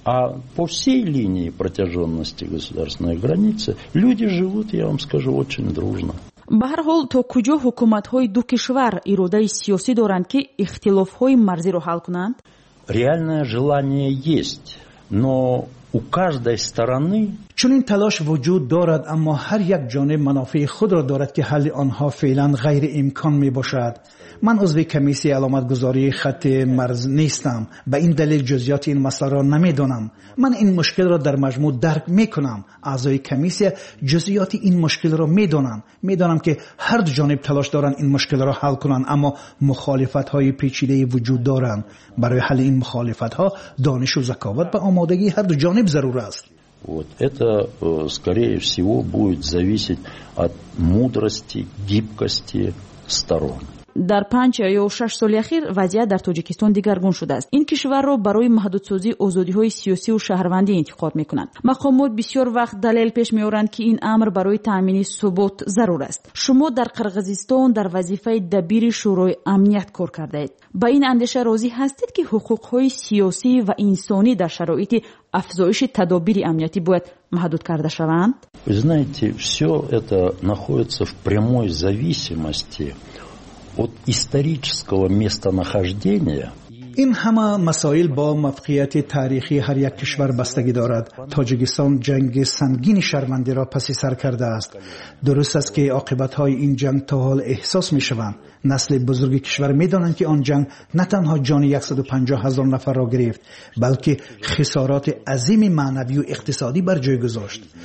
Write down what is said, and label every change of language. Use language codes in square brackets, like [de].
[ru] А по всей линии протяженности государственной границы люди живут, я вам скажу, очень дружно. [fa] به هر حال تا کجا حکومت‌های دو کشور اراده سیاسی دارند که اختلاف‌های مرزی را حل کنند؟ [ru] реальное желание есть, но у каждой стороны [fa] چون این تلاش وجود دارد، اما هر یک جانب منافع خود را دارد که حل آنها فعلا غیر امکان می باشد. من عضو کمیسی علامتگذاری خط مرز نیستم، به این دلیل جزئیات این مسئله را نمی دانم. من این مشکل را در مجموع درک می کنم. اعضای کمیسی جزئیات این مشکل را می دانم. می دانم که هر دو جانب تلاش دارند این مشکل را حل کنند، اما مخالفت های پیچیده وجود دارند. برای حل این مخالفت ها دانش و ذکاوت و آمادگی هر دو جانب ضرور است. [ru] Вот это, скорее всего, будет зависеть от мудрости, гибкости сторон. [fa] در 5 یا 6 سال اخیر وضعیت در تاجیکستان دیگرگون شده است. این کشور را برای محدودسازی آزادی‌های سیاسی و شهروندی انتخاب می‌کنند. مقامات بسیار وقت دلیل پیش می‌آورند که این امر برای تأمین ثبات ضرور است. شما در قرغیزستان در وظیفه دبیر شورای امنیت کار کرده‌اید. با این اندیشه راضی هستید که حقوق‌های سیاسی و انسانی در شرایط افزایش تدابیر امنیتی باید محدود کرده شوند؟ [ru] знаете, всё это находится в прямой зависимости от исторического местонахождения. [fa] این همه مسائل با موقعیت تاریخی هر یک کشور بستگی دارد. تاجیکستان جنگ سنگین شرمنده را پس سر کرده است. درست است که عاقبت های این جنگ تا حال احساس می شوند. نسل بزرگ کشور می دانند که آن جنگ نه تنها جان 150 هزار نفر را گرفت، بلکه خسارات عظیم معنوی و اقتصادی بر جای گذاشت.